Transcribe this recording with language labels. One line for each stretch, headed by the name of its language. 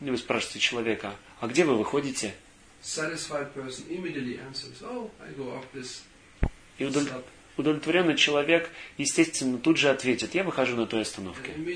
Russian: Вы спрашиваете человека, а где вы выходите?
English: Satisfied person immediately answers, oh, I go off this.
Russian: Удовлетворенный человек, естественно, тут же ответит, я выхожу на той остановке.